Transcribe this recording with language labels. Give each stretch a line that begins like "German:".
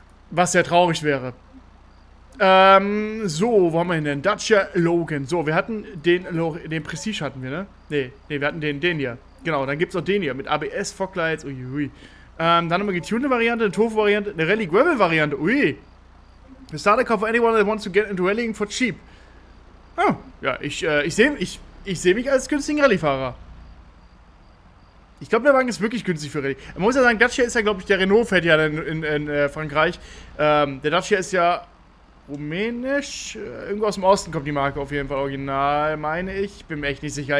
German: Was sehr traurig wäre. So, wo haben wir denn? Datsche Logan. So, wir hatten den Prestige hatten wir, ne? Nee, wir hatten den hier. Genau, dann gibt's auch den hier mit ABS, Foglights, uiuiui. Dann haben wir getunte Variante, eine Tofu-Variante, eine Rally-Gravel-Variante, ui.
English: The starter car for anyone that wants to get into rallying for cheap.
German: Oh, ja, ich seh mich als günstigen Rallye-Fahrer. Ich glaube, der Wagen ist wirklich günstig für Rallye. Man muss ja sagen, Dacia ist ja, glaube ich, der Renault fährt ja in Frankreich. Der Dacia ist ja rumänisch. Irgendwo aus dem Osten kommt die Marke auf jeden Fall original, meine ich. Ich bin mir echt nicht sicher.